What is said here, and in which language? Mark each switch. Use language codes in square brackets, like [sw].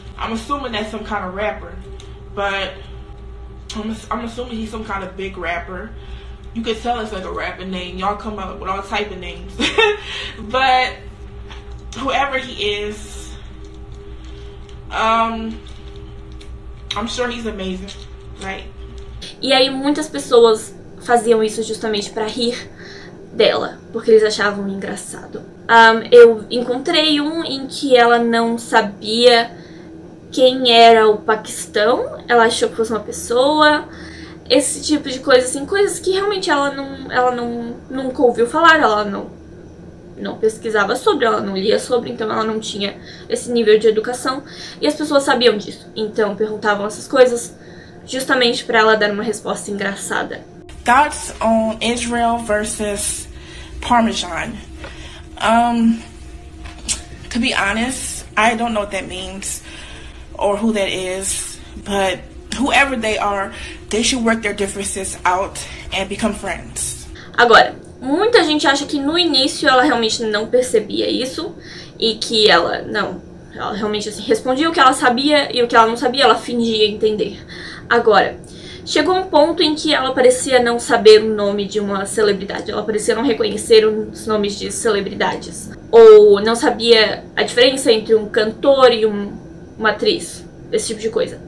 [en] I'm assuming that's some kind of rapper, but I'm assuming he's some kind of big rapper. You could tell it's like a rapper name. Y'all come up with all type of names. But whoever he is, I'm sure he's amazing, right? [pt] E aí muitas pessoas faziam isso justamente pra rir dela, porque eles achavam engraçado. Eu encontrei um em que ela não sabia quem era o Paquistão. Ela achou que fosse uma pessoa. Esse tipo de coisa, assim, coisas que realmente ela nunca ouviu falar. Ela não pesquisava sobre, ela não lia sobre, então ela não tinha esse nível de educação. E as pessoas sabiam disso, então perguntavam essas coisas justamente pra ela dar uma resposta engraçada. [en] Thoughts on Israel versus Parmesan. To be honest, I don't know what that means. or who that is, but whoever they should work their differences out and become friends. [pt] Agora, muita gente acha que no início ela realmente não percebia isso e que ela, não, ela realmente assim, respondia o que ela sabia e o que ela não sabia, ela fingia entender. Agora, chegou um ponto em que ela parecia não saber o nome de uma celebridade, ela parecia não reconhecer os nomes de celebridades, ou não sabia a diferença entre um cantor e uma atriz, esse tipo de coisa.